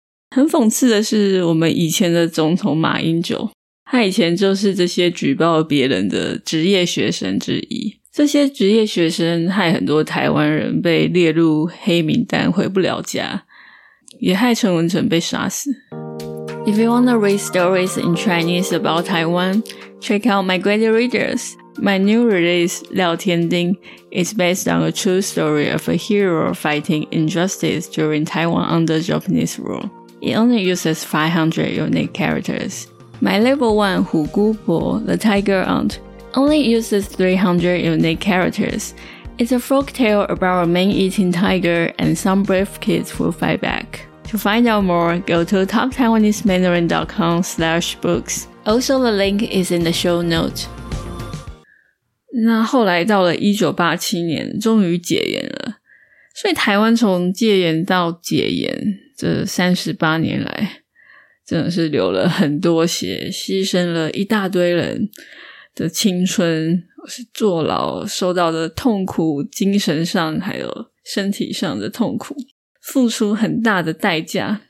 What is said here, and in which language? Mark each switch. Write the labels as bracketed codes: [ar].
[zh] 很讽刺的是，我们以前的总统马英九，他以前就是这些举报别人的职业学生之一。这些职业学生害很多台湾人被列入黑名单回不了家，也害陈文成被杀死。 [en] If you want to read stories in Chinese about Taiwan, check out My Great Readers. My new release, 廖天丁, is based on a true story of a hero fighting injustice during Taiwan under Japanese rule. It only uses 500 unique characters. My level 1, 虎姑婆, The Tiger Aunt, only uses 300 unique characters. It's a folktale about a man-eating tiger and some brave kids who fight back. To find out more, go to talktaiwanesemandarin.com/books. Also, the link is in the show notes. [zh] 那后来到了1987年，终于解严了。所以台湾从戒严到解严，这38年来，真的是流了很多血，牺牲了一大堆人的青春，是坐牢受到的痛苦，精神上还有身体上的痛苦，付出很大的代价。